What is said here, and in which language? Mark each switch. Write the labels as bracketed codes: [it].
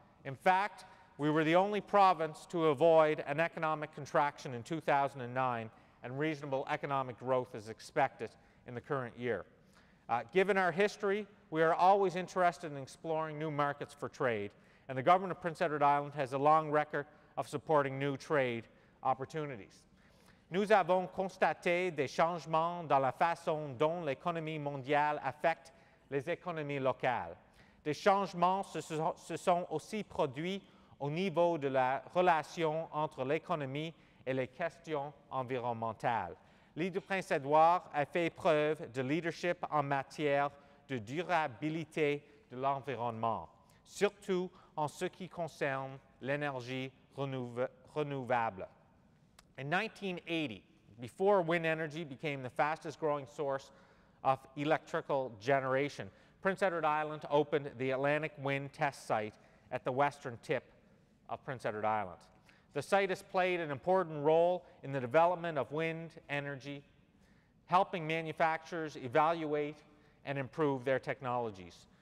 [en] In fact, we were the only province to avoid an economic contraction in 2009, and reasonable economic growth is expected in the current year. Given our history, we are always interested in exploring new markets for trade, and the government of Prince Edward Island has a long record of supporting new trade opportunities. [fr] Nous avons constaté des changements dans la façon dont l'économie mondiale affecte les économies locales. Des changements se sont aussi produits au niveau de la relation entre l'économie et les questions environnementales. L'île du Prince-Édouard a fait preuve de leadership en matière de durabilité de l'environnement, surtout en ce qui concerne l'énergie renouvelable. [en] In 1980, before wind energy became the fastest growing source of electrical generation, Prince Edward Island opened the Atlantic Wind Test Site at the western tip of Prince Edward Island. The site has played an important role in the development of wind energy, helping manufacturers evaluate and improve their technologies.